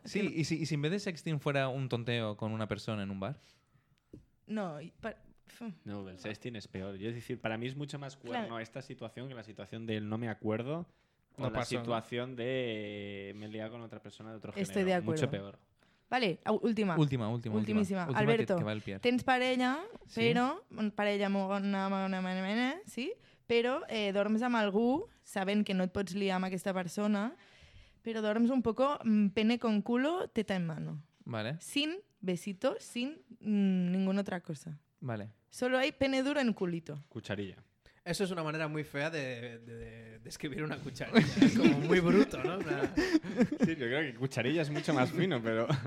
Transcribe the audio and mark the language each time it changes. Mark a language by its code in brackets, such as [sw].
[es] Sí, y si en vez de sexting fuera un tonteo con una persona en un bar. No, el sexting es peor. Yo es decir, para mí es mucho más cuerno claro. Esta situación que la situación del no me acuerdo. No o la situación de me lié con otra persona de otro estoy género. Estoy de acuerdo. Mucho peor. Vale, última. [ca] Alberto, tens parella, però parella monògama, sí? Però dorms amb algú, sabent que no et pots liar amb aquesta persona, Però dorms [es] un poco pene con culo, teta en mano. Vale. Sin besitos, sin ninguna otra cosa. Vale. Solo hay pene duro en culito. Cucharilla. Eso es una manera muy fea de describir una cucharilla. Es como muy bruto, ¿no? Sí, yo creo que cucharilla es mucho más fino, pero...